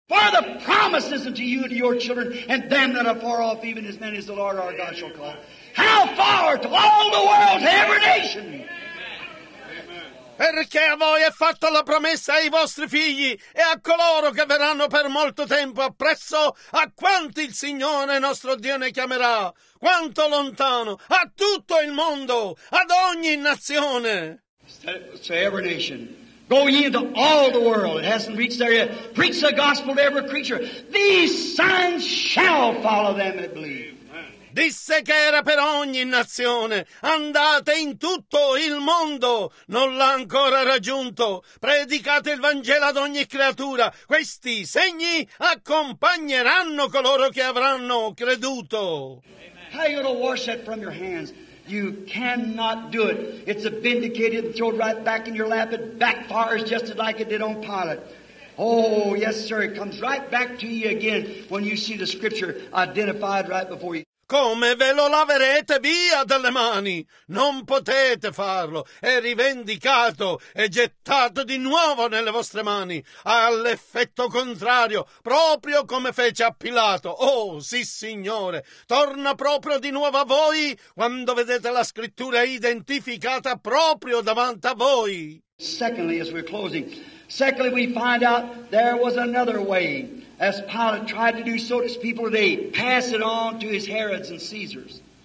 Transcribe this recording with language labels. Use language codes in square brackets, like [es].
[en] For the promises unto you and your children and them that are far off, even as many as the Lord our God shall call. How far? To all the world, to every nation. [it] Perché a voi è fatta la promessa ai vostri figli e a coloro che verranno per molto tempo appresso, a quanti il Signore nostro Dio ne chiamerà, quanto lontano, a tutto il mondo, ad ogni nazione. [en] To every nation. Go ye into all the world. It hasn't reached there yet. Preach the gospel to every creature. These signs shall follow them that believe. [it] Disse che era per ogni nazione. Andate in tutto il mondo. Non l'ha ancora raggiunto. Predicate il Vangelo ad ogni creatura. Questi segni accompagneranno coloro che avranno creduto. [en] How are you going to wash that from your hands? You cannot do it. It's a vindicated and thrown right back in your lap. It backfires just like it did on Pilate. Oh, yes, sir. It comes right back to you again when you see the scripture identified right before you. [it] Come ve lo laverete via dalle mani? Non potete farlo. È rivendicato e gettato di nuovo nelle vostre mani. All'effetto contrario, proprio come fece a Pilato. Oh, sì, Signore, torna proprio di nuovo a voi quando vedete la scrittura identificata proprio davanti a voi. [en] Secondly, as we're closing, secondly, we find out there was another way. As Pilate tried to do so to his people today, pass it on to his Herods and Caesars.